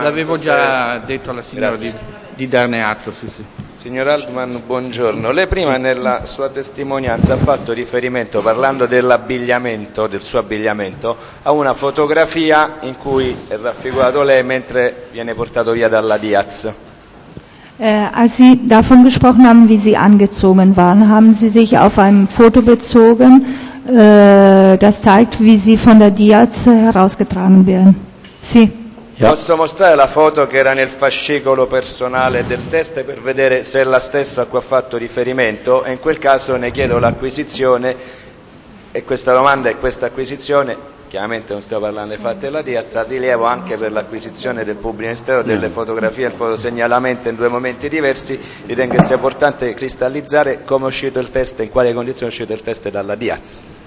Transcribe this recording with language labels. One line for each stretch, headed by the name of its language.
Italian: L'avevo già detto alla signora di darne atto. Sì. Signor Altman, buongiorno. Lei prima nella sua testimonianza ha fatto riferimento, parlando dell'abbigliamento, del suo abbigliamento, a una fotografia in cui è raffigurato lei mentre viene portato via dalla Diaz.
German: Als Sie davon gesprochen haben, wie Sie angezogen waren, haben Sie sich auf ein Foto bezogen, das zeigt, wie Sie von der Diaz herausgetragen werden.
Italian: Sì. Posso mostrare la foto che era nel fascicolo personale del test per vedere se è la stessa a cui ha fatto riferimento, e in quel caso ne chiedo l'acquisizione, e questa domanda è questa acquisizione. Chiaramente non sto parlando dei fatti della Diaz, a rilievo anche per l'acquisizione del pubblico ministero delle fotografie e il fotosegnalamento in due momenti diversi, ritengo sia importante cristallizzare come è uscito il test e in quale condizione è uscito il test dalla Diaz.